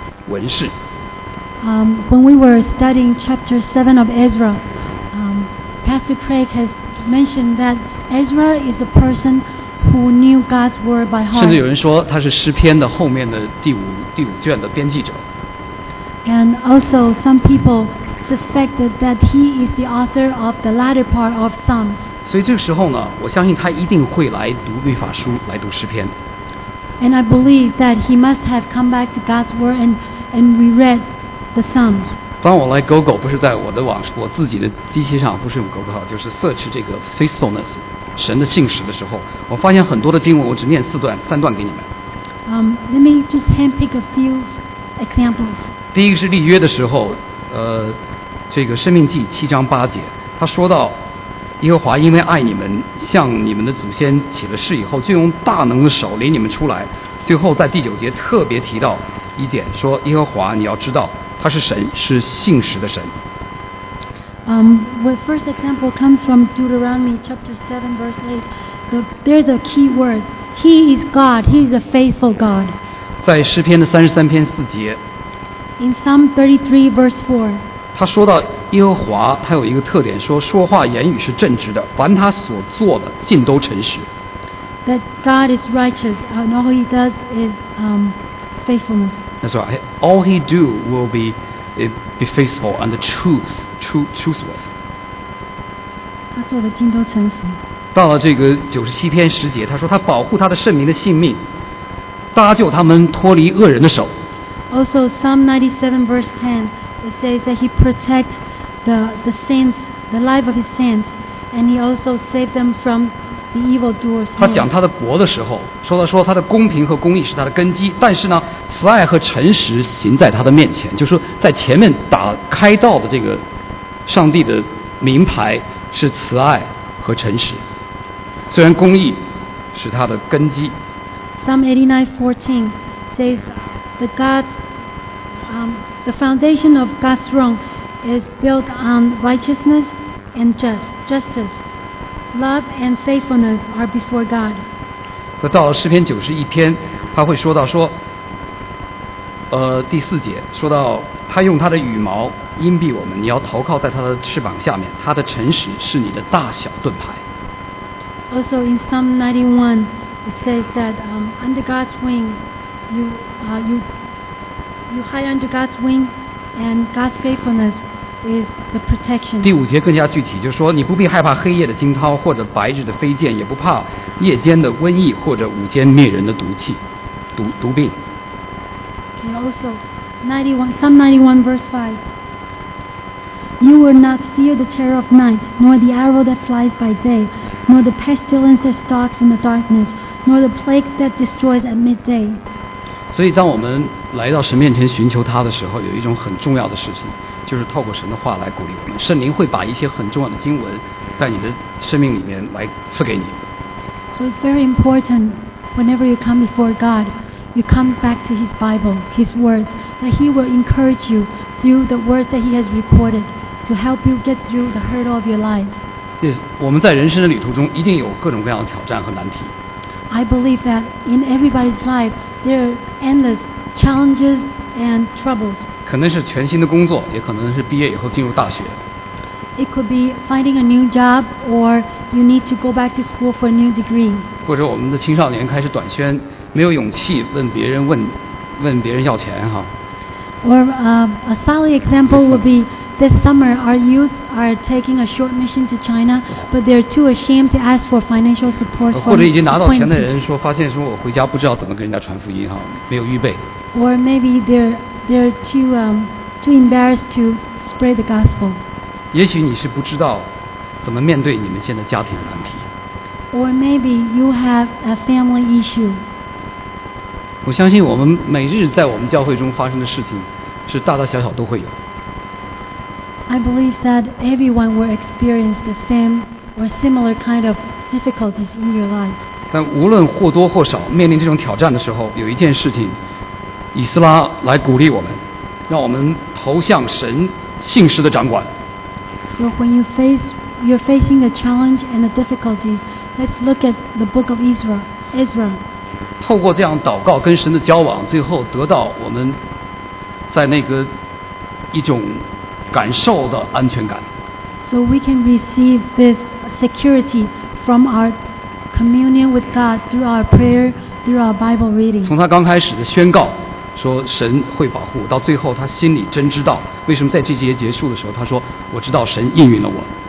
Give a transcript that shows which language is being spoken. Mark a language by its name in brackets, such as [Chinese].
[English] When we were studying chapter 7 of Ezra, Pastor Craig has mentioned that Ezra is a person who knew God's word by heart. [Chinese] 甚至有人说他是诗篇的后面的第五卷的编辑者。 [English] And also some people suspected that he is the author of the latter part of Psalms. [Chinese] 所以这个时候呢，我相信他一定会来读律法书，来读诗篇。 [English] And I believe that he must have come back to God's word and we read the Psalms. [Chinese] 当我来 Google 不是在我的网我自己的机器上不是用 Google 号就是 search 这个 faithfulness 神的信实的时候我发现很多的经文我只念三段给你们。 [English] Let me just handpick a few examples. [Chinese] 第一个是立约的时候这个生命记七章八节他说到耶和华因为爱你们向你们的祖先起了誓以后就用大能的手领你们出来最后在第九节特别提到一点说耶和华你要知道他是神是信实的神 [English] My first example comes from Deuteronomy chapter 7 verse 8 There's a key word He is God, He is a faithful God [Chinese] 在诗篇的33篇4节 [English] In Psalm 33 verse 4 [Chinese] 他说到耶和华他有一个特点说话言语是正直的凡他所做的尽都诚实 [English] that God is righteous and all he does is faithfulness that's right all he do will be faithful and truthless [Chinese] 他做的尽都诚实到了这个97篇十节他说他保护他的圣民的性命搭救他们脱离恶人的手 [English] also Psalm 97 verse 10It says that he protects the saints, the life of his saints, and he also saves them from the evil doers. [Chinese] 他讲他的国的时候，说他的公平和公义是他的根基，但是呢，慈爱和诚实行在他的面前，就是说在前面打开道的这个上帝的名牌是慈爱和诚实，虽然公义是他的根基。 [English] Psalm 89:14 says the God. The foundation of God's throne is built on righteousness and justice. Love and faithfulness are before God. [Chinese] 在到了诗篇91篇，他会说到说，第四节说到他用他的羽毛荫蔽我们，你要投靠在他的翅膀下面，他的诚实是你的大小盾牌。 [English] Also in Psalm 91, it says that under God's wing, You hide under God's wing, and God's faithfulness is the protection. [Chinese] 第五节更加具体，就是说你不必害怕黑夜的惊涛，或者白日的飞箭，也不怕夜间的瘟疫，或者午间灭人的毒病。 [English] Okay, also, Psalm 91 verse 5. You will not fear the terror of night, nor the arrow that flies by day, nor the pestilence that stalks in the darkness, nor the plague that destroys at midday. [Chinese] 所以当我们来到神面前寻求他的时候有一种很重要的事情就是透过神的话来鼓励我们圣灵会把一些很重要的经文在你的生命里面来赐给你 [English] So it's very important whenever you come before God you come back to his Bible his words that he will encourage you through the words that he has recorded to help you get through the hurdle of your life [Chinese] yes, 我们在人生的旅途中一定有各种各样的挑战和难题 [English] I believe that in everybody's lifeThere are endless challenges and troubles. [Chinese] 可能是全新的工作，也可能是毕业以后进入大学。 [English] It could be finding a new job, or you need to go back to school for a new degree. [Chinese] 或者我们的青少年开始短宣，没有勇气问别人要钱哈。 [English] Or a solid example would be this summer our youth are taking a short mission to China, but they're too ashamed to ask for financial support. [Chinese] 或者已经拿到钱的人说，发现说我回家不知道怎么跟人家传福音哈，没有预备。 [English] Or maybe they're too embarrassed to spread the gospel. [Chinese] 也许你是不知道怎么面对你们现在家庭的难题。 [English] Or maybe you have a family issue. [Chinese] 我相信我们每日在我们教会中发生的事情，是大大小小都会有。 [English] I believe that everyone will experience the same or similar kind of difficulties in your life. [Chinese] 但无论或多或少面临这种挑战的时候，有一件事情，以斯拉来鼓励我们，让我们投向神信实的掌管。 [English] So when you you're facing the challenge and the difficulties, let's look at the book of Ezra. [Chinese] 透过这样祷告跟神的交往，最后得到我们在那个一种感受的安全感。 [English] So we can receive this security from our communion with God through our prayer, through our Bible reading. [Chinese] 从他刚开始的宣告说神会保护，到最后他心里真知道，为什么在这节结束的时候他说我知道神应允了我。